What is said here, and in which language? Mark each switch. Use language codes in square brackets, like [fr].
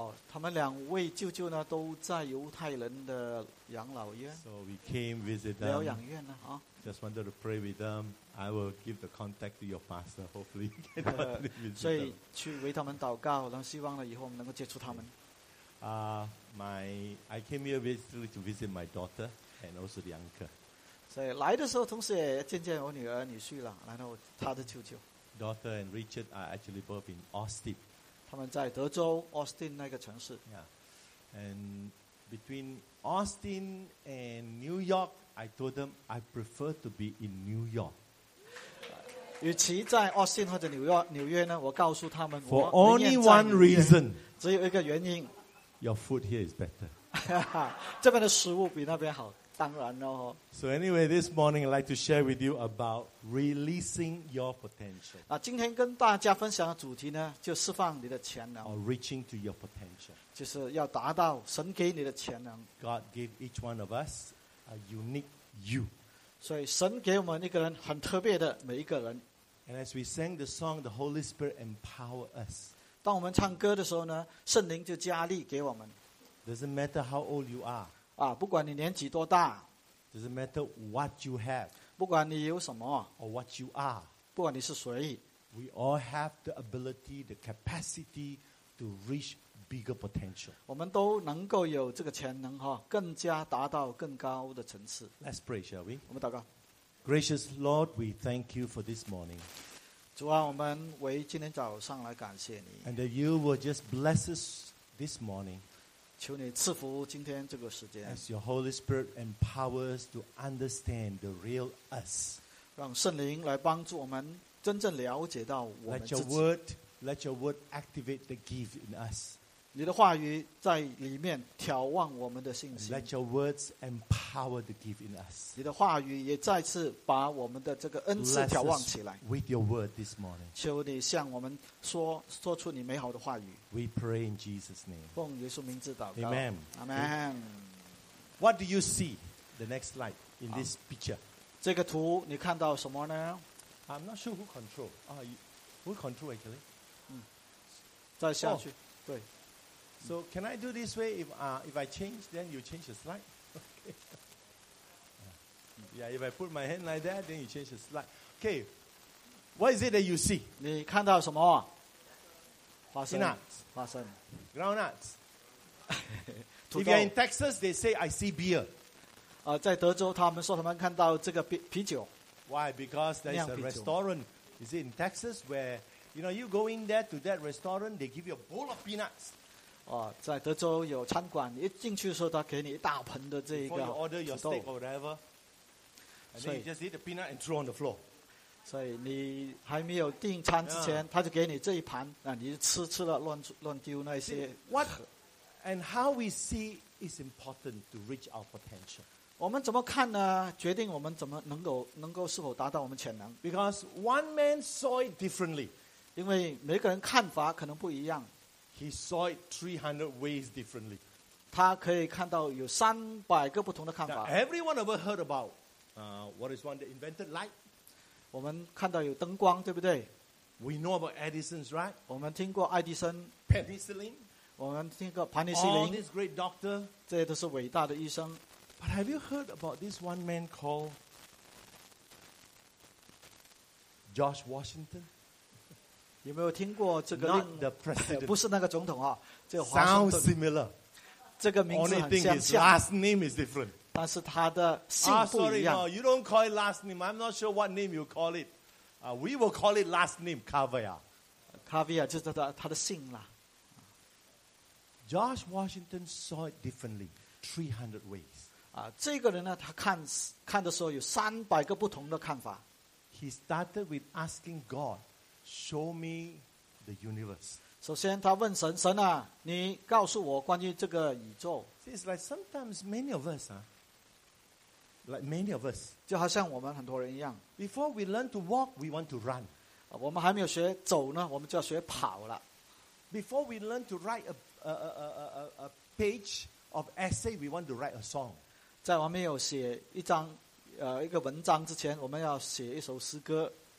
[zh] 他们两位舅舅呢都在犹太人的养老院。 [en] So we came visit them. [zh] 疗养院呢？ [en] Just wanted to pray with them. I will give the contact to your pastor. Hopefully, you can visit [zh] them. 所以去为他们祷告，然后希望呢以后我们能够接触他们。 [en] I came here basically to visit my daughter and also the uncle. [zh] 所以来的时候，同时也见见我女儿女婿了，然后他的舅舅。 [en] Daughter and Richard are actually both in Austin. [zh] 他们在德州 Austin 那个城市。 [en] Yeah. And between Austin and New York, I told them I prefer to be in New York. [zh] 与其在 Austin 或者纽约呢，我告诉他们我 [en] For only one reason. [zh] 只有一个原因。 [en] Your food here is better. [zh] 这边的食物比那边好，当然哦。 [en] So anyway, this morning I'd like to share with you about releasing your potential. [zh] 今天跟大家分享的主题呢，就释放你的潜能。 [en] Or reaching to your potential. [zh] 就是要达到神给你的潜能。 [en] God gave each one of us a unique you. [zh] 所以神给我们一个人很特别的每一个人。 [en] And as we sang the song, the Holy Spirit empower us. [zh] 当我们唱歌的时候呢，圣灵就加力给我们。 [en] Doesn't matter how old you are. [zh] 不管你年纪多大 [en] doesn't matter what you have, [zh] 不管你有什么 [en] or what you are, [zh] 不管你是谁 [en] we all have the ability, the capacity to reach bigger potential. [zh] 我们都能够有这个潜能更加达到更高的层次 [en] Let's pray, shall we? [zh] 我们祷告 [en] Gracious Lord, we thank you for this morning. [zh] 主啊，我们为今天早上来感谢你 [en] And that you will just bless us this morning. [zh] 求你赐福今天这个时间。 [en] As your Holy Spirit empowers to understand the real us. [zh] 让圣灵来帮助我们真正了解到我们自己。 [en] Let your word activate the gift in us. [zh] 你的话语在里面挑旺我们的信心。 [en] Let your words empower the gift in us. [zh] 你的话语也再次把我们的这个恩赐挑旺起来。 [en] With your word this morning. [zh] 求你向我们说出你美好的话语。 [en] We pray in Jesus' name. [zh] 奉耶稣名字祷告。 [en] Amen. Amen. What do you see? The next slide in this picture. [zh] 这个图你看到什么呢？ [en] I'm not sure who control. Who control actually? [zh] 再下去。对。 [en] So can I do this way? If I change, then you change the slide. Okay. Yeah. If I put my hand like that, then you change the slide. Okay. What is it that you see? [zh] 你看到什么？ [en] Peanuts. Groundnuts. If you're in Texas, they say, I see beer. [zh] 在德州他们说他们看到这个啤酒。 [en] Why? Because there's a restaurant. Is it in Texas where, you know, you go in there to that restaurant, they give you a bowl of peanuts. [zh] 在德州有餐馆一进去的时候他给你一大盆的这个土豆。 [en] Before you order your steak or whatever, and then you just eat the peanut and throw on the floor. [zh] 所以你还没有订餐之前、他就给你这一盘你就吃了乱丢那些 [en] What and how we see is important to reach our potential [zh] 我们怎么看呢决定我们怎么能够是否达到我们潜能 [en] Because one man saw it differently [zh] 因为每个人看法可能不一样 [en] He saw it 300 ways differently [zh] 他可以看到有300个不同的看法 [en] Now, Everyone ever heard about what is one that invented light? [zh] 我们看到有灯光，对不对 [en] ？We know about Edison's, right? [zh] 我们听过爱迪生。 [en] Penicillin. [zh] 我们听过盘尼西林。 [en] All these great doctors. [zh] 这些都是伟大的医生。 [en] But have you heard about this one man called George Washington? [zh] 有没有听过这个？ [en] Not the president. [zh] 不是那个总统啊，这个华盛顿。 [en] Sounds similar. [zh] 这个名字很像。 [en] Only thing is last name is different. [zh] 但是他的姓不一样。 [en] Oh, sorry, no, you don't call it last name. I'm not sure what name you call it. We will call it last name, Kavya. [zh] Kavya 就是他的姓啦。 [en] George Washington saw it differently, 300 ways. [zh] 这个人呢，他看的时候有300个不同的看法。 [en] He started with asking God, "Show me the universe." [zh] 首先，他问神：“神啊，你告诉我关于这个宇宙。” [en] It's like sometimes many of us, like many of us, [zh] 就好像我们很多人一样。 [en] Before we learn to walk, we want to run. [zh] 我们还没有学走呢，我们就要学跑了。 [en] Before we learn to write a page of essay, we want to write a song. [zh] 在我们有写一张。一个文章之前我们要写一首诗歌。